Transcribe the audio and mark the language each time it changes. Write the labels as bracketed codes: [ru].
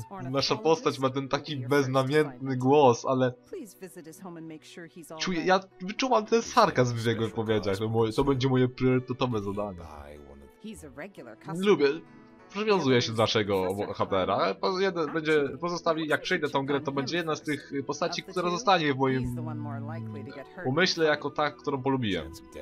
[pl] nasza postać ma ten taki beznamiętny głos, ale... [en] Please visit his home and make sure he's all right. [pl] Ja wyczuwam ten sarkazm w jego wypowiedziach. To będzie moje priorytetowe zadanie. [en] He's a regular customer. [pl] Lubię, przywiązuje się do naszego bohatera. Pozostawi, jak przejdę tą grę, to będzie jedna z tych postaci, która zostanie w moim umyśle jako ta, którą polubiłem.